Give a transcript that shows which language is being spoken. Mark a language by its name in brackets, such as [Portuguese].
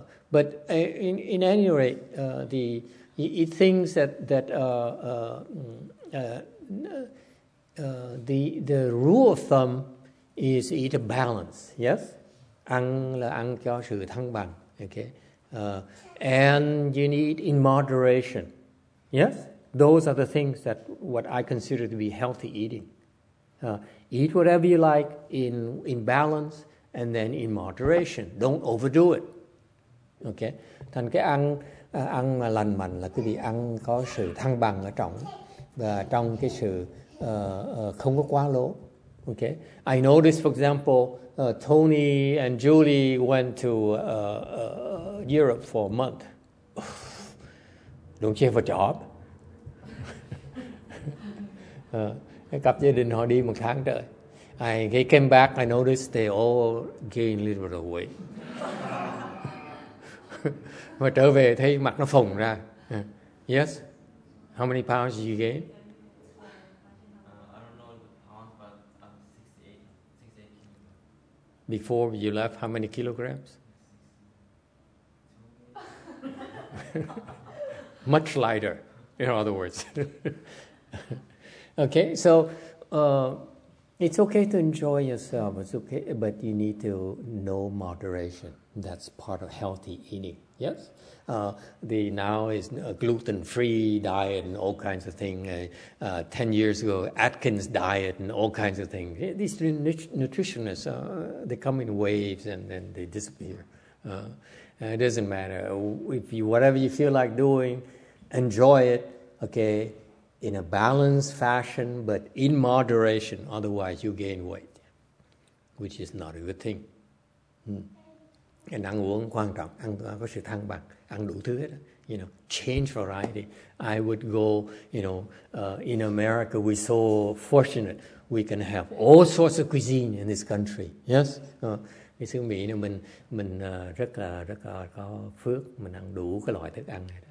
[English] But in any rate, the rule of thumb is eat a balance. [Vietnamese] Yes, ăn là ăn cho sự thăng bằng. [English] Okay, and you need in moderation. Yes. Those are the things that what I consider to be healthy eating. Eat whatever you like in balance and then in moderation. Don't overdo it. Okay. [Vietnamese] Thành cái ăn ăn mà lành mạnh là cái gì? Ăn có sự thăng bằng ở trong và trong cái sự không có quá lố. Okay. [English] I noticed, for example, Tony and Julie went to Europe for a month. Don't you have a job? [Vietnamese] Cặp gia đình họ đi một tháng trời. [English] They came back, I noticed they all gained a little bit of weight. [Vietnamese] Mà trở về thấy mặt nó phồng ra. [English] Yes? How many pounds did you gain? I don't know the pounds, but 68 kilograms. Before you left, how many kilograms? Much lighter, in other words. Okay, so it's okay to enjoy yourself. It's okay, but you need to know moderation. That's part of healthy eating. Yes, the now is a gluten-free diet and all kinds of things. 10 years ago, Atkins diet and all kinds of things. These nutritionists, they come in waves and then they disappear. It doesn't matter if you whatever you feel like doing, enjoy it. Okay. In a balanced fashion, but in moderation. Otherwise, you gain weight, which is not a good thing. [Vietnamese] And ăn uống quan trọng, ăn có sự thăng bằng, ăn đủ thứ hết. [English] You know, change variety. I would go, you know, in America, we're so fortunate. We can have all sorts of cuisine in this country. Yes? [Vietnamese] Cái xứ Mỹ này mình rất là có phước, mình ăn đủ cái loại thức ăn.